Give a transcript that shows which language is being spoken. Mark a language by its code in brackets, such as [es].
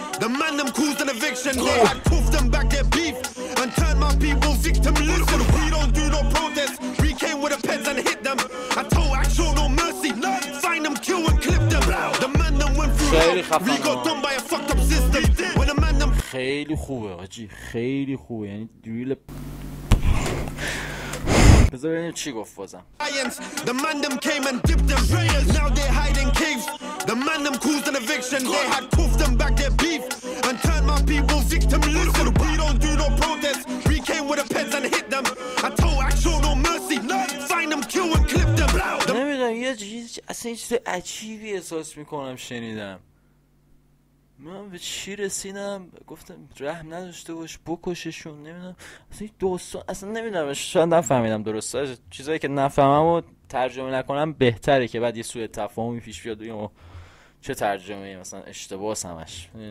[en] The man them caused an eviction. They had poofed them back their beef and turned my people victim. Listen, we don't do no protest. We came with the pens and hit them. I told I show no mercy. Find them, kill and clip them. The man them went through hell. We got done by a fucked up system. [fa] خیلی خوبه آجی، خیلی خوبه، یعنی دریل. بذار ببینیم چی گفت بازم. [en] The man them came and dipped their prayers. Now they hide in caves. The man them caused an eviction. They had poofed them back their beef and turned my people victim. Listen, we don't do no protest. We came with the pens and hit them. I told I show no mercy. Find them, kill and clip them. [fa] نمیدونم یه چیزی اصلا یه چیز عجیبی احساس میکنم شنیدم. من به چی رسیدم؟ گفتم رحم نداشته باش، بکششون. نمیدونم اصلا این دوستان، اصلا نمیدونم، شاید نفهمیدم درسته. چیزایی که نفهمم و ترجمه نکنم بهتره، که بعد یه سوء تفاهمی پیش بیاد و چه ترجمه ای مثلا اشتباه سمش.